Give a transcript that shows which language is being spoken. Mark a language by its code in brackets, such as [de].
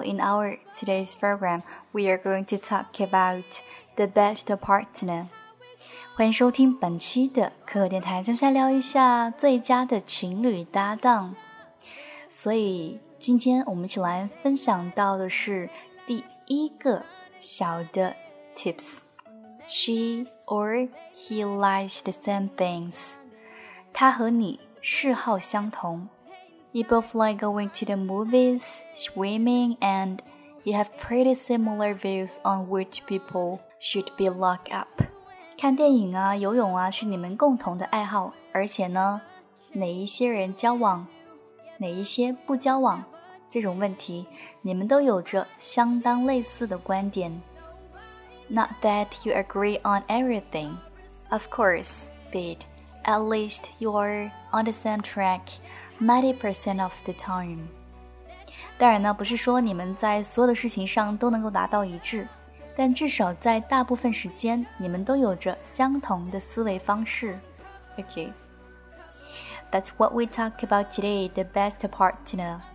[en] In our today's program, we are going to talk about the best partner. [zh] 欢迎收听本期的可可电台，接下来聊一下最佳的情侣搭档。所以今天我们一起来分享到的是第一个小的 tips。 [en] She or he likes the same things. [zh] 他和你嗜好相同。 [en] You both like going to the movies, swimming, and you have pretty similar views on which people should be locked up. [zh] 看电影啊，游泳啊，是你们共同的爱好。而且呢，哪一些人交往，哪一些不交往，这种问题，你们都有着相当类似的观点。 [en] Not that you agree on everything. Of course, but at least you're on the same track 90% of the time. [zh] 当然呢，不是说你们在所有的事情上都能够达到一致。但至少在大部分时间，你们都有着相同的思维方式。 [en] Okay. That's what we talk about today, the best partner.